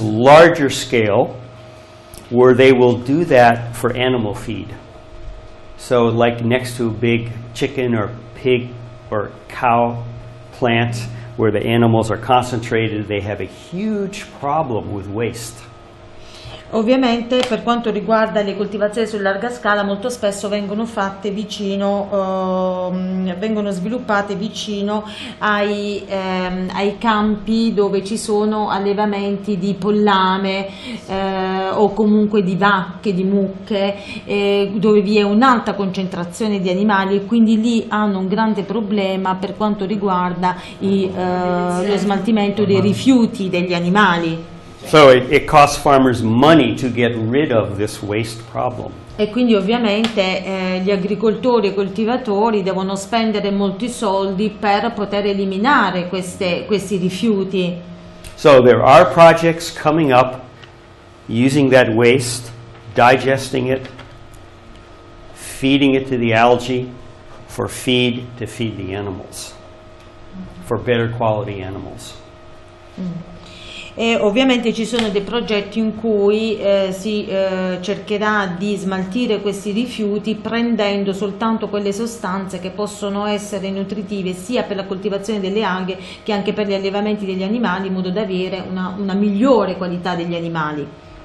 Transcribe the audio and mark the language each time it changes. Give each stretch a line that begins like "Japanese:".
English: larger scale where they will do that for animal feed. So like next to a big chicken or pig or cow plant where the animals are concentrated, they have a huge problem with waste.
Italian: Ovviamente per quanto riguarda le coltivazioni su larga scala molto spesso vengono fatte vicino, vengono sviluppate vicino ai campi dove ci sono allevamenti di pollame o comunque di vacche, di mucche, dove vi è un'alta concentrazione di animali e quindi lì hanno un grande problema per quanto riguarda lo smaltimento dei rifiuti degli animali.
English: So it costs farmers money to get rid of this waste problem.
Italian: E quindi ovviamente gli agricoltori e coltivatori devono spendere molti soldi per poter eliminare questi rifiuti.
English: So there are projects coming up using that waste, digesting it, feeding it to the algae for feed to feed the animals, for better quality animals.
Italian: E ovviamente ci sono dei progetti in cui cercherà di smaltire questi rifiuti prendendo soltanto quelle sostanze che possono essere nutritive sia per la coltivazione delle alghe che anche per gli allevamenti degli animali in modo da avere una migliore qualità degli animali.